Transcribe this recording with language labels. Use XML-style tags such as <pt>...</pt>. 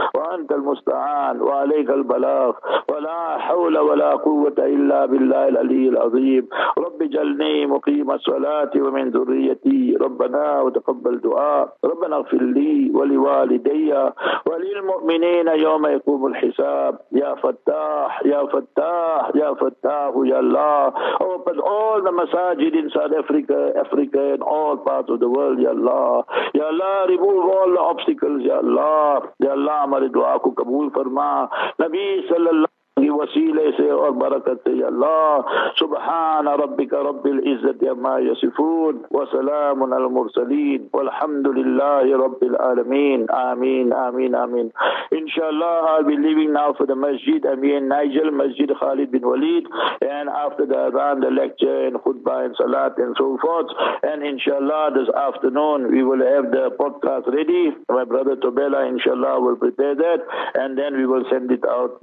<ar>وانت المستعان وعليك البلاغ، ولا حول ولا قوة إلا بالله العلي العظيم. رب جلني مقيم الصلاة ومن ذريتي، ربنا وتقبل دعاء. ربنا اغفر لي ولوالدي وللمؤمنين يوم يقوم الحساب. يا فتاح يا فتاح يا فتاح يا الله،</ar> <en>open all the masajid in South Africa, Africa and all parts of the world.</en> <ar>يا الله يا الله،</ar> <en>remove all the obstacles.</en> <ar>يا الله يا الله،</ar> <ur>ہماری دعا کو قبول فرما. نبی صلی اللہ کی وسیلے سے اور برکت سے.</ur> <ar>یا اللہ، سبحان ربک رب العزت عما یصفون، وسلام علی المرسلین، والحمد للہ رب العالمین. آمین آمین آمین.</ar> <en>انشاءاللہ I'll be leaving now for the masjid. I'm here in Nigel, Masjid Khalid bin Walid, and after the Adhan, the lecture and khutbah and salat and so forth, and inshallah this afternoon we will have the podcast ready. My brother Tobela inshallah will prepare that, and then we will send it out.</en>